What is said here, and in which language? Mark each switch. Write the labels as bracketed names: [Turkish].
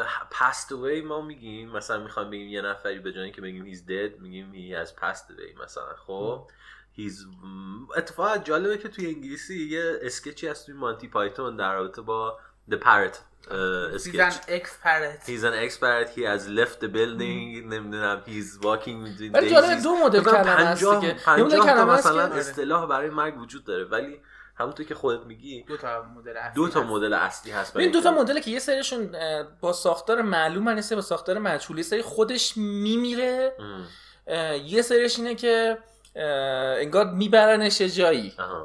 [English] passed away [Persian] ما میگیم، مثلا میخوام بگیم یه نفری به جایی که بگیم [English] he's dead [Persian] میگیم [English] he has passed away [Persian] مثلا. خب اتفاقا جالبه که توی انگلیسی یه اسکیچی هست توی مانتی پایتون در رابطه با The Parrot اسکیچ. [English] He's an expert. He has left the building. [Persian] نمیدونم [English] He's walking with the [Persian] daisies. ولی جالبه دو مدل کلمه هست دیگه. پنجاه تا مثلا اصطلاح برای مرگ وجود داره، ولی همونطور که خودت میگی دو تا مدل اصلی هست. ببین دو تا مدل که یه سریشون با ساختار معلوم هست، با ساختار مجهولی، سری خودش میمیره. یه سریش اینه که انگار میبرنش یه جایی.